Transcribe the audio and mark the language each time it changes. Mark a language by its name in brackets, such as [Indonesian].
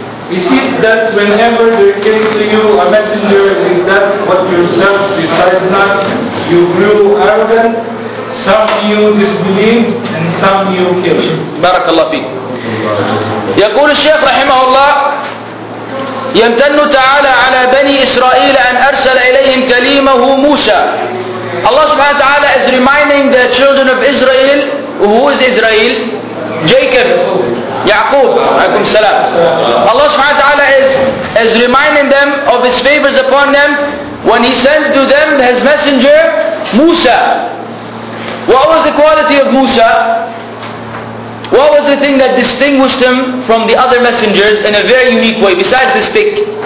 [English] Is it that whenever there came to you a messenger with that what yourself decided not, you grew arrogant, some you disbelieved, and some you killed? Barakallah fi. [Arabic] يقول الشيخ رحمه الله يمتن تعالى على بني إسرائيل أن أرسل إليهم كليمه موسى. [English] Allah سبحانه وتعالى is reminding the children of Israel. Who is Israel? Jacob, [Arabic] يعقوب عليكم السلام. [English] Allah سبحانه وتعالى is reminding them of His favors upon them when He sent to them His messenger موسى. What was the quality of موسى? What was the thing that distinguished him from the other messengers in a very unique way, besides the stick?